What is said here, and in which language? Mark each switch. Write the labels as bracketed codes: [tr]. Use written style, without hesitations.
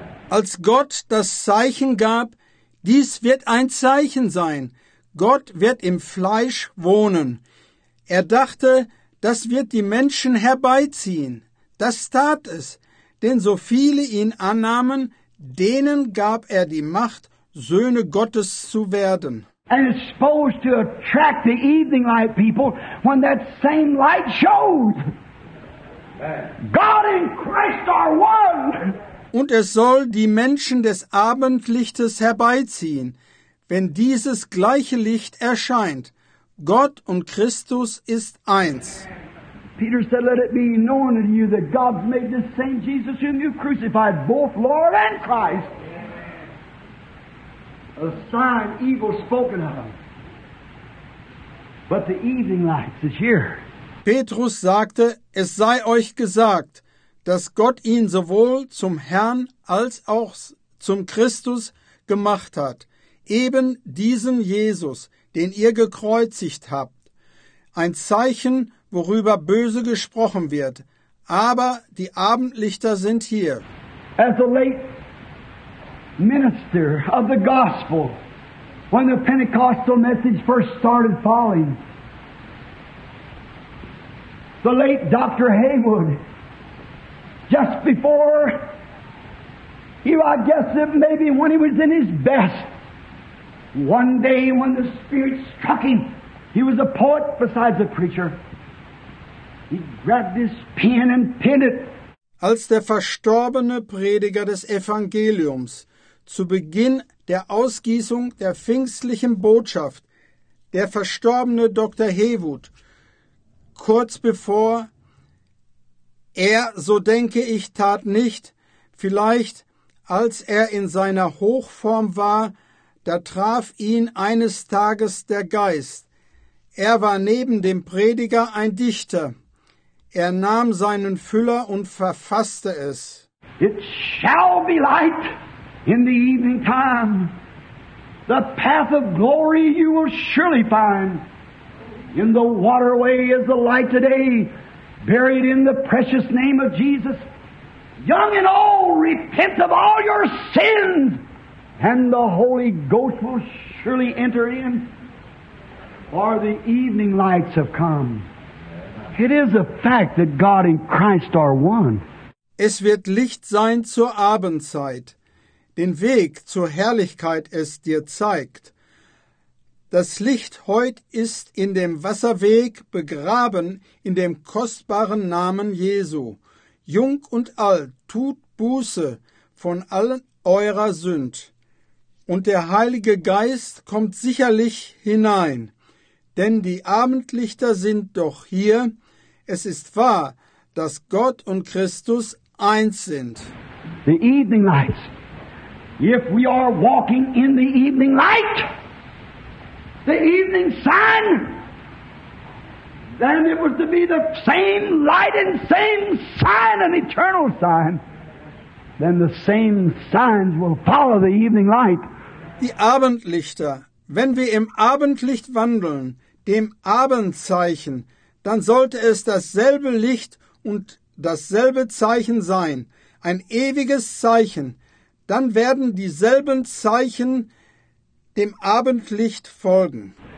[de] Als Gott das Zeichen gab, dies wird ein Zeichen sein. Gott wird im Fleisch wohnen. Er dachte, das wird die Menschen herbeiziehen. Das tat es, denn so viele ihn annahmen, denen gab er die Macht, Söhne Gottes zu werden. [en] And it's supposed to attract the evening light people when that same light shows. God and Christ are one. [de] Und es soll die Menschen des Abendlichtes herbeiziehen, wenn dieses gleiche Licht erscheint. Gott und Christus ist eins. [en] Peter said, let it be known unto you that God made this same Jesus whom you crucified, both Lord and Christ. A sign evil spoken of. But the evening light is here. [de] Petrus sagte, es sei euch gesagt, dass Gott ihn sowohl zum Herrn als auch zum Christus gemacht hat. Eben diesen Jesus, den ihr gekreuzigt habt. Ein Zeichen, worüber böse gesprochen wird. Aber die Abendlichter sind hier. [en] As the late minister of the gospel, when the Pentecostal message first started falling, the late Dr. Haywood, just before he, I guess that maybe when he was in his best, one day when the Spirit struck him, he was a poet besides a preacher. He grabbed his pen and pinned it. [de] Als der verstorbene Prediger des Evangeliums zu Beginn der Ausgießung der pfingstlichen Botschaft, der verstorbene Dr. Haywood, kurz bevor er, so denke ich, tat nicht, vielleicht als er in seiner Hochform war, da traf ihn eines Tages der Geist. Er war neben dem Prediger ein Dichter. Er nahm seinen Füller und verfasste es. [en] It shall be light in the evening time. The path of glory you will surely find. In the waterway is the light today, buried in the precious name of Jesus. Young and old, repent of all your sins, and the Holy Ghost will surely enter in. For the evening lights have come. It is a fact that God and Christ are one. [de] Es wird Licht sein zur Abendzeit. Den Weg zur Herrlichkeit es dir zeigt. Das Licht heut ist in dem Wasserweg begraben in dem kostbaren Namen Jesu. Jung und alt, tut Buße von allen eurer Sünd. Und der Heilige Geist kommt sicherlich hinein. Denn die Abendlichter sind doch hier. Es ist wahr, dass Gott und Christus eins sind. [en] The evening lights. If we are walking in the evening light, the evening sun, then it was to be the same light and same sign, an eternal sign. Then the same signs will follow the evening light. [de] Die Abendlichter, wenn wir im Abendlicht wandeln, dem Abendzeichen, dann sollte es dasselbe Licht und dasselbe Zeichen sein, ein ewiges Zeichen. Dann werden dieselben Zeichen dem Abendlicht folgen.